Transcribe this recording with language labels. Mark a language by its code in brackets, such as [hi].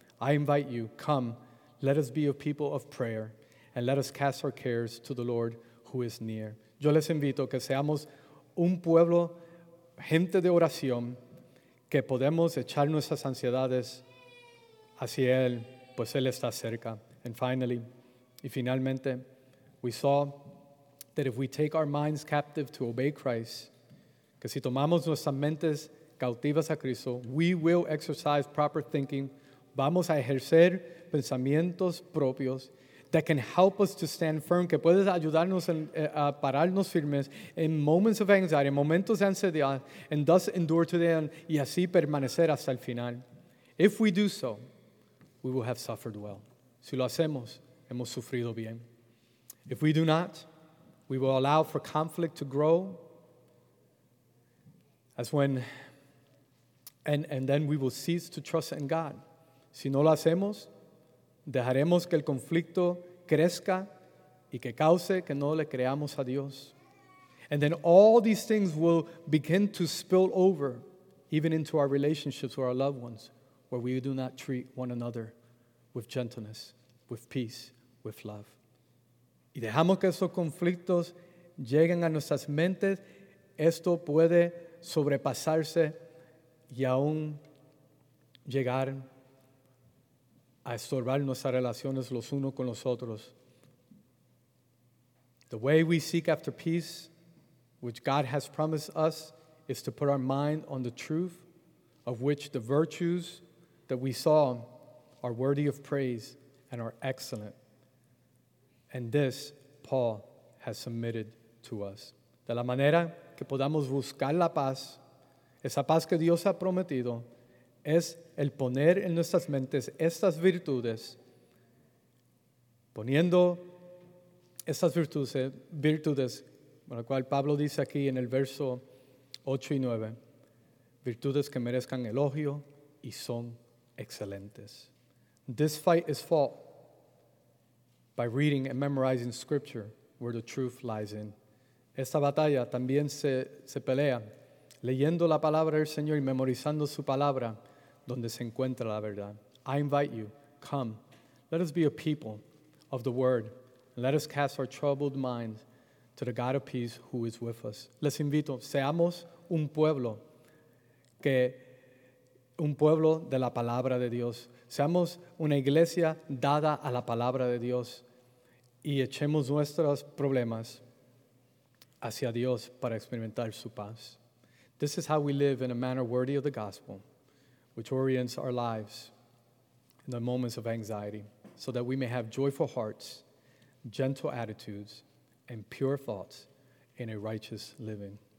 [en] I invite you, come, let us be a people of prayer, and let us cast our cares to the Lord who is near. [es] Yo les invito que seamos un pueblo, gente de oración, que podemos echar nuestras ansiedades hacia Él, pues Él está cerca. [en] And finally, [es] y finalmente, [en] we saw that if we take our minds captive to obey Christ, [es] que si tomamos nuestras mentes cautivas a Cristo, [en] we will exercise proper thinking, [es] vamos a ejercer pensamientos propios [en] that can help us to stand firm, [es] que puedes ayudarnos a pararnos firmes [en] in moments of anxiety, [es] en momentos de ansiedad, [en] and thus endure to the end, [es] y así permanecer hasta el final. [en] If we do so, we will have suffered well. [es] Si lo hacemos, hemos sufrido bien. [en] If we do not, we will allow for conflict to grow, as when, and then we will cease to trust in God. [es] Si no lo hacemos, dejaremos que el conflicto crezca y que cause que no le creamos a Dios. [en] And then all these things will begin to spill over even into our relationships with our loved ones, where we do not treat one another with gentleness, with peace, with love. [es] Y dejamos que esos conflictos lleguen a nuestras mentes, esto puede sobrepasarse y aún llegar a estorbar nuestras relaciones los unos con los otros. [en] The way we seek after peace, which God has promised us, is to put our mind on the truth, of which the virtues that we saw are worthy of praise and are excellent. And this Paul has submitted to us. [es] De la manera que podamos buscar la paz, esa paz que Dios ha prometido, es el poner en nuestras mentes estas virtudes, poniendo estas virtudes con la cual Pablo dice aquí en el verso 8 y 9, virtudes que merezcan elogio y son excelentes. [en] This fight is fought by reading and memorizing scripture where the truth lies in. [es] Esta batalla también se pelea leyendo la palabra del Señor y memorizando su palabra donde se encuentra la verdad. [en] I invite you, come, let us be a people of the word. Let us cast our troubled minds to the God of peace who is with us. [es] Les invito, seamos un pueblo que un pueblo de la palabra de Dios. Seamos una iglesia dada a la palabra de Dios y echemos nuestros problemas hacia Dios para experimentar su paz. [en] This is how we live in a manner worthy of the gospel, which orients our lives in the moments of anxiety, so that we may have joyful hearts, gentle attitudes, and pure thoughts in a righteous living.